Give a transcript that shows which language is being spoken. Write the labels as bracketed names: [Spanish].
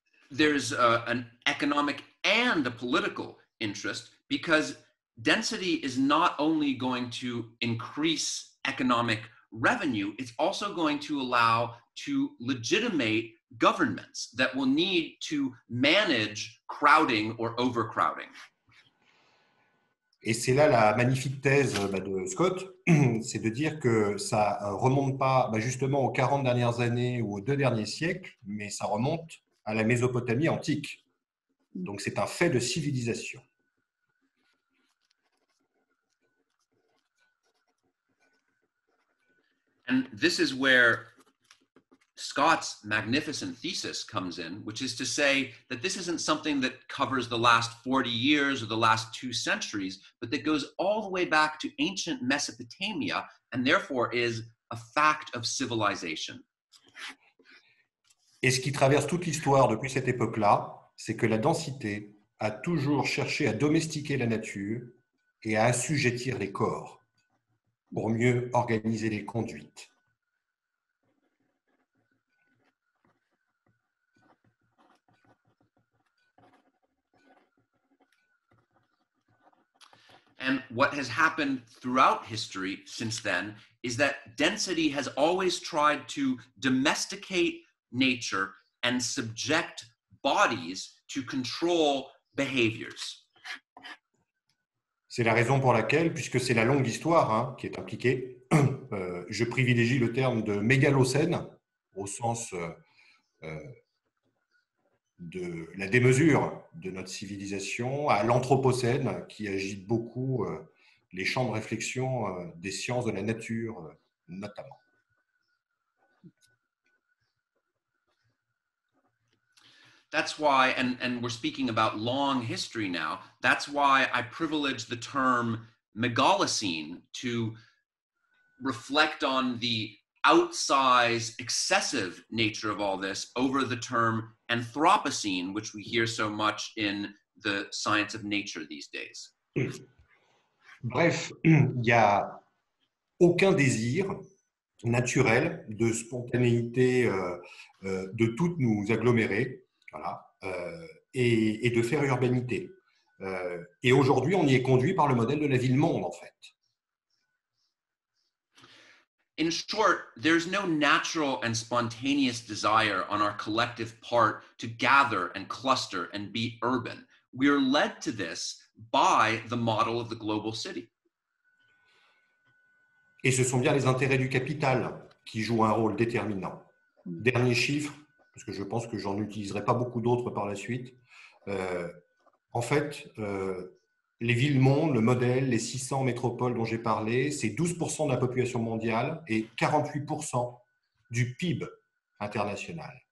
[English] There's an economic and a political interest because density is not only going to increase economic revenue, it's also going to allow to legitimate governments that will need to manage crowding or overcrowding. [French] Et c'est là la magnifique thèse de Scott, c'est de dire que ça remonte pas justement aux 40 dernières années ou aux deux derniers siècles, mais ça remonte à la Mésopotamie antique. Donc c'est un fait de civilisation. [English] And this is where Scott's magnificent thesis comes in, which is to say that this isn't something that covers the last 40 years or the last two centuries, but that goes all the way back to ancient Mesopotamia and therefore is a fact of civilization. [French] Et ce qui traverse toute l'histoire depuis cette époque-là, c'est que la densité a toujours cherché à domestiquer la nature et à assujettir les corps pour mieux organiser les conduites. [English] And what has happened throughout history since then is that density has always tried to domesticate nature and subject bodies to control behaviors. [French] C'est la raison pour laquelle, puisque c'est la longue histoire hein, qui est impliquée, je privilégie le terme de mégalocène au sens de la démesure de notre civilisation à l'anthropocène qui agite beaucoup les champs de réflexion des sciences de la nature notamment. [English] That's why, and we're speaking about long history now, that's why I privilege the term megalocene to reflect on the outsize excessive nature of all this over the term Anthropocene, which we hear so much in the science of nature these days. [French] Bref, il n'y a aucun désir naturel de spontanéité de toutes nous agglomérer, voilà, et de faire urbanité. Et aujourd'hui, on y est conduit par le modèle de la ville-monde, en fait. [English] In short, there's no natural and spontaneous desire on our collective part to gather and cluster and be urban. We are led to this by the model of the global city. [French] Et ce sont bien les intérêts du capital qui jouent un rôle déterminant. Dernier chiffre, parce que je pense que j'en utiliserai pas beaucoup d'autres par la suite. Les villes-mondes, le modèle, les 600 métropoles dont j'ai parlé, c'est 12% de la population mondiale et 48% du PIB international.